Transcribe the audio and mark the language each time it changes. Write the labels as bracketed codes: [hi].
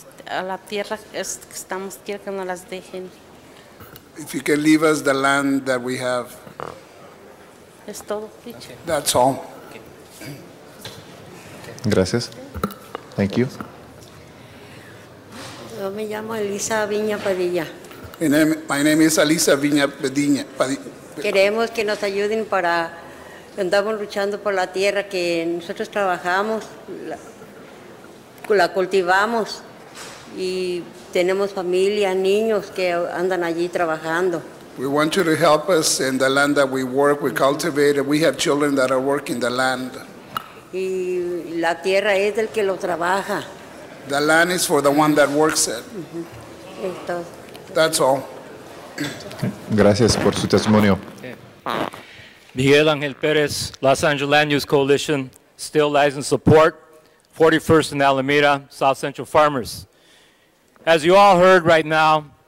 [es] A la tierra estamos quiero que no las dejen. [en] If you can leave us the land that we have. [es] Es todo, okay. [en] That's all. [es] Gracias. [en] Thank you. [es] Yo me llamo Elisa Viña Padilla. [en] My name is Elisa Viña Padilla. [es] Queremos que nos ayuden para. Andamos luchando por la tierra que nosotros trabajamos, la cultivamos y. Tenemos familia, niños que andan allí trabajando. [en] We want you to help us in the land that we work, we cultivate, and we have children that are working the land. [es] Y la tierra es del que lo trabaja. [en] The land is for the one that works it. [es] Entonces, [en] that's all. [es] Gracias por su testimonio. [en] Miguel Angel Perez, Los Angeles Land Use Coalition, still lies in support, 41st and Alameda, South Central Farmers. As you all heard right now,